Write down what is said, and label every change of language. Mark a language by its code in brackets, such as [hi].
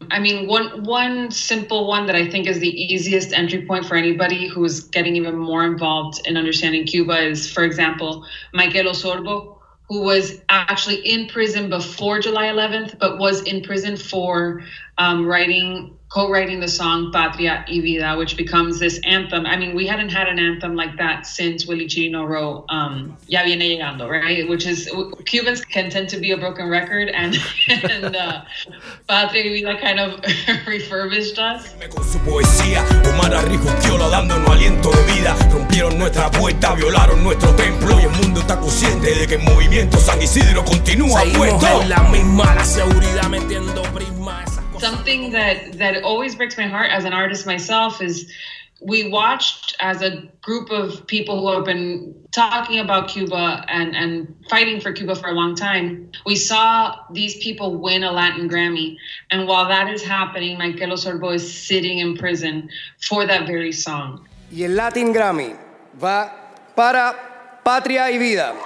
[en] I mean, one simple one that I think is the easiest entry point for anybody who is getting even more involved in understanding Cuba is, for example, Michael Osorbo, who was actually in prison before July 11th, but was in prison for co-writing the song Patria y Vida, which becomes this anthem. I mean, we hadn't had an anthem like that since Willy Chirino wrote Ya Viene Llegando, right? Which is, Cubans can tend to be a broken record, and Patria y Vida kind of refurbished us. [es] Con su poesía, Omar Arrigo Piola, dándonos aliento de vida. Rompieron nuestra puerta, violaron nuestro templo, y el mundo está consciente de que el movimiento San Isidro continúa puesto. La misma, la seguridad metiendo prisma. [en] Something that always breaks my heart as an artist myself is we watched as a group of people who have been talking about Cuba and fighting for Cuba for a long time, we saw these people win a Latin Grammy. And while that is happening, Michael Osorbo is sitting in prison for that very song. [es] Y el Latin Grammy va para Patria y Vida.